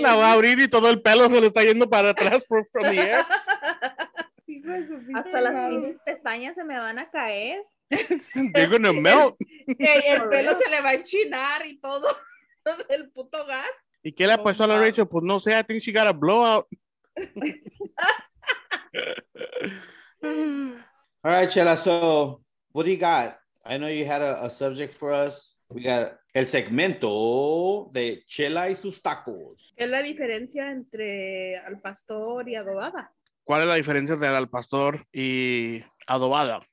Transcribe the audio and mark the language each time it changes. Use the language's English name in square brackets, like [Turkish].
[Spanish] La va a abrir y todo el pelo se le está yendo para atrás [English] from the air. [Spanish] Hasta las pestañas se me van a caer. [English] They're gonna melt. [Spanish] El pelo se le va a enchinar y todo el puto gas. ¿Y qué le ha puesto a la Rachel? Pues no sé, [English] I think she got a blowout. All right, Chela, so what do you got? I know you had a subject for us. We got [Spanish] el segmento de Chela y sus tacos. ¿Qué es la diferencia entre al pastor y adobada? ¿Cuál es la diferencia entre al pastor y adobada?